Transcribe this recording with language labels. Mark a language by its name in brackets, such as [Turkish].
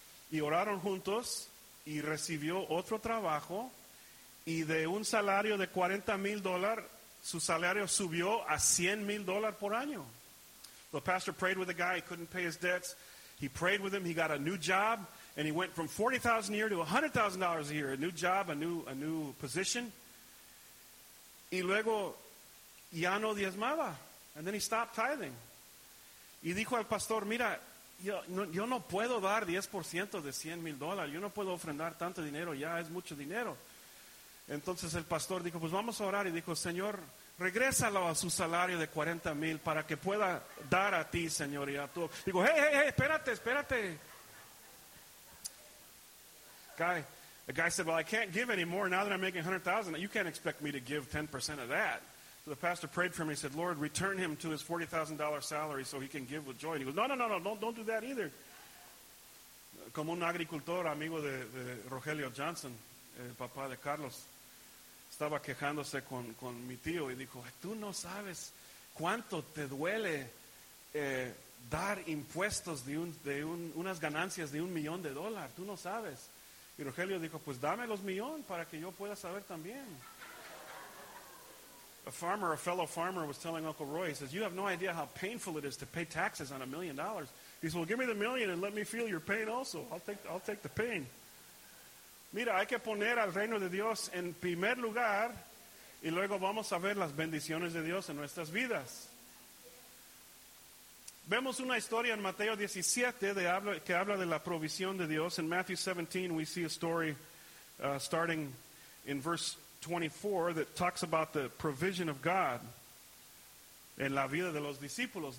[Spanish] Y oraron juntos y recibió otro trabajo y de un salario de $40,000, su salario subió a $100,000 por año. [English] The pastor prayed with the guy. He couldn't pay his debts. He prayed with him. He got a new job. And he went from $40,000 a year to $100,000 a year. A new job, a new position. [Spanish] Y luego ya no diezmaba. [English] And then he stopped tithing. [Spanish] Y dijo al pastor, mira, yo no puedo dar 10% de $100,000. Yo no puedo ofrendar tanto dinero. Ya es mucho dinero. Entonces el pastor dijo, pues vamos a orar. Y dijo, Señor, regrésalo a su salario de 40 mil para que pueda dar a ti, Señor, y a tú. Digo, hey, espérate. [English] The guy said, well, I can't give anymore now that I'm making $100,000. You can't expect me to give 10% of that. So the pastor prayed for him. He said, Lord, return him to his $40,000 salary so he can give with joy. And he goes, no, don't do that either. [Spanish] Como un agricultor, amigo de Rogelio Johnson, el papá de Carlos, estaba quejándose con mi tío y dijo, tú no sabes cuánto te duele dar impuestos de unas ganancias de $1,000,000. Tú no sabes. Y Rogelio dijo, pues dame los millón para que yo pueda saber también. [English] A fellow farmer was telling Uncle Roy, he says, you have no idea how painful it is to pay taxes on $1,000,000. He said, well, give me the million and let me feel your pain also. I'll take the pain. [Spanish] Mira, hay que poner al reino de Dios en primer lugar y luego vamos a ver las bendiciones de Dios en nuestras vidas. Vemos una historia en Mateo 17 que habla de la provisión de Dios. [English] In Matthew 17, we see a story starting in verse 24 that talks about the provision of God [Spanish] en la vida de los discípulos.